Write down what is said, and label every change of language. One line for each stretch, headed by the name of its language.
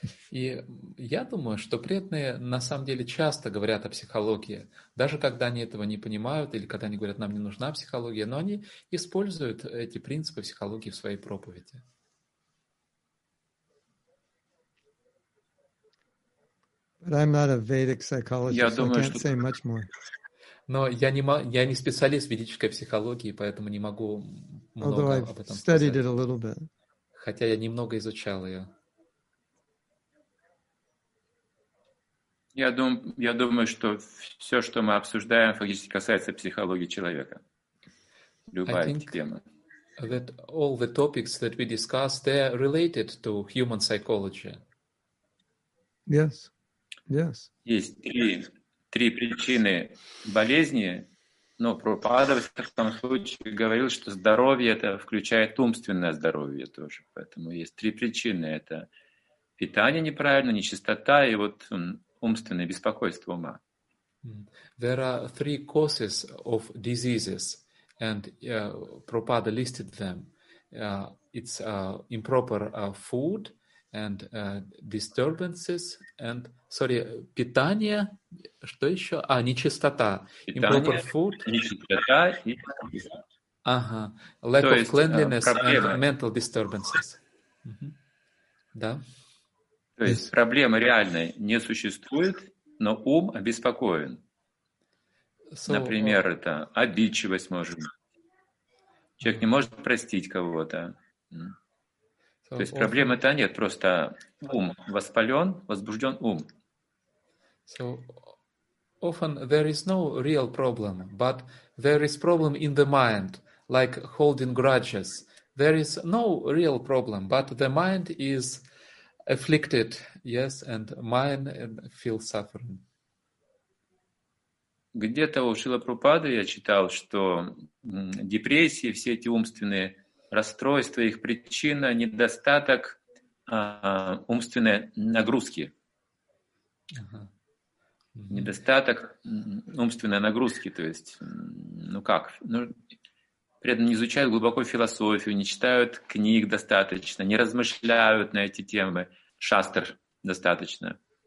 Russian: И я думаю, что преданные на самом деле часто говорят о психологии, даже когда они этого не понимают или когда они говорят, нам не нужна психология, но они используют эти принципы психологии в своей проповеди.
English: But I'm not a Vedic psychologist.
Russian: Я думаю,
English: I can't say much more.
Russian: Но я не специалист в ведической психологии, поэтому не могу много об этом сказать.
English: Studied it a little bit.
Russian: Хотя я немного изучал ее. Я думаю, что все, что мы обсуждаем, фактически касается психологии человека. Любая тема.
English: That all the topics that we discuss, they are related to human psychology. Yes. Yes.
Russian: Есть три причины болезни, но Прабхупада в этом случае говорил, что здоровье это включает умственное здоровье тоже. Поэтому есть три причины. Это питание неправильно, нечистота и вот умственное беспокойство ума.
English: There are three causes of diseases, and Prabhupada listed them. It's improper food and disturbances and
Russian: питание, что еще? А, нечистота.
English: Improper food.
Russian: Нечистота и...
English: Ага. Lack of cleanliness and mental disturbances. Да.
Russian: То есть проблема реальная не существует, но ум обеспокоен. Например, это обидчивость может быть. Человек не может простить кого-то. То есть проблемы-то нет, просто ум воспален, возбужден ум.
English: So often there is no real problem, but there is problem in the mind, like holding grudges. There is no real problem, but the mind is afflicted, yes, and mind feels suffering.
Russian: Где-то у Шрилы Прабхупады я читал, что депрессии, все эти умственные расстройства, их причина — недостаток умственной нагрузки. Недостаток умственной нагрузки, то есть, ну как, ну, при этом не изучают глубоко философию, не читают книг достаточно, не размышляют на эти темы, шастр достаточно.